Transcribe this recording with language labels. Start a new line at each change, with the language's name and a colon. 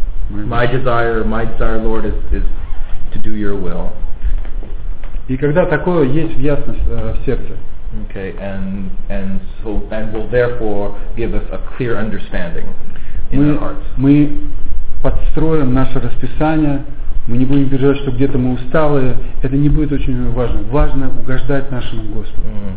English: My desire, Lord, is to do Your will.
Russian: И когда такое есть ясность в сердце.
English: Okay, and will therefore give us a clear understanding in our hearts.
Russian: Мы подстроим наше расписание, мы не будем переживать, что где-то мы усталые. Это не будет очень важно. Важно угождать нашему Господу.